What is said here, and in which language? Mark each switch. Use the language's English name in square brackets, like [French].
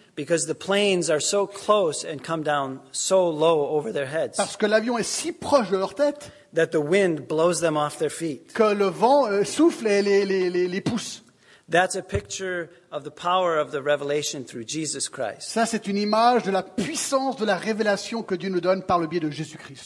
[English] because the planes are so close and come down so low over their heads, [French] parce que l'avion est si proche de leur tête, [English] that the wind blows them off their feet, [French] que le vent souffle et les pousse. [English] That's a picture of the power of the revelation through Jesus Christ. [French] Ça, c'est une image de la puissance de la révélation que Dieu nous donne par le biais de Jésus-Christ.